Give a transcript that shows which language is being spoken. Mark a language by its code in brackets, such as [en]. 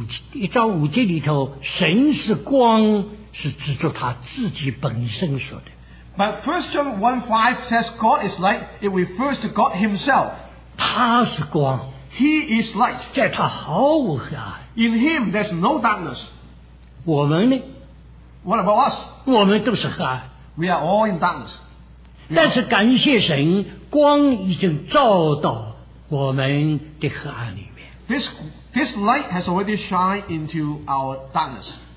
[zh] 但是约翰一书第一章五节里头, 神是光, 是指着他自己本身说的。 [en] But 1 John 1:5 says God is light, it refers to God Himself. [zh] 他是光, [en] he is light. [zh] 在他毫无黑暗, [en] in Him there's no darkness. [zh] 我们呢? [en] What about us? [zh] 我们都是黑暗, [en] we are all in darkness. [zh] 但是感谢神, 光已经照到我们的黑暗里面。 [en] This light has already shined into our darkness.